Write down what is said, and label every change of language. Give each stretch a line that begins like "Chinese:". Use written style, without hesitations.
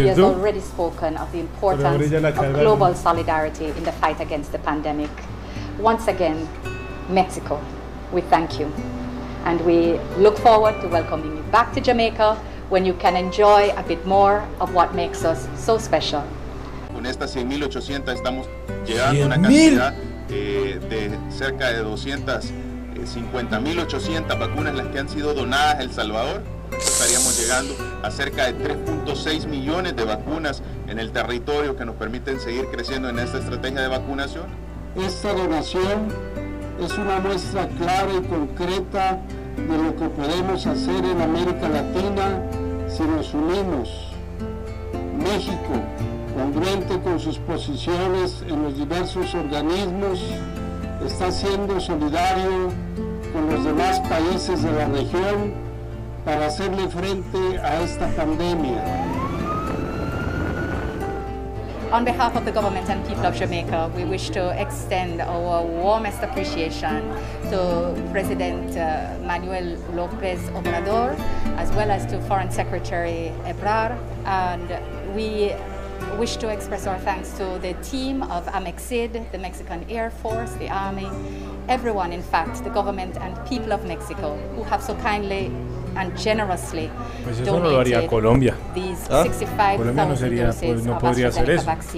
English: He has already spoken of the importance of global solidarity in the fight against the pandemic. Once again, Mexico, we thank you. And we look forward to welcoming you back to Jamaica when you can enjoy a bit more of what makes us so special.
Spanish: Con estas 100,800 estamos llegando a una cantidad de cerca de 250,800 vacunas las que han sido donadas a El Salvador. Estaríamos llegando a cerca de 3.6 millones de vacunas en el territorio que nos permiten seguir creciendo en esta estrategia de vacunación. Esta donación es una muestra clara y concreta de lo que podemos hacer en América Latina si nos unimos. México, congruente con sus posiciones en los diversos organismos, está siendo solidario con los demás países de la región para hacerle frente a esta pandemia.
English: On behalf of the government and people of Jamaica, we wish to extend our warmest appreciation to President Manuel López Obrador, as well as to Foreign Secretary Ebrard, and we wish to express our thanks to the team of AMEXID, the Mexican Air Force, the Army, everyone, in fact, the government and people of Mexico, who have so kindly and generously
Spanish: pues eso no lo haría Colombia. ¿Ah? Colombia no sería, pues no podría hacer eso.